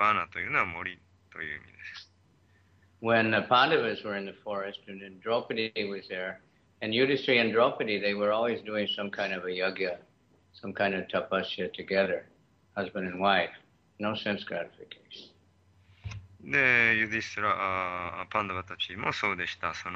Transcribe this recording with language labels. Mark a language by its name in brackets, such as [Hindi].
[Japanese] バナというのは森という意味です。 [English] When the Pandavas were in the forest and Draupadi was there, and Yudhishthira and Draupadi, they were always doing some kind of a yajna, some kind of tapasya together, husband and wife. No sense gratification. [Japanese] で、ユディストラ、パンダバたちもそうでした。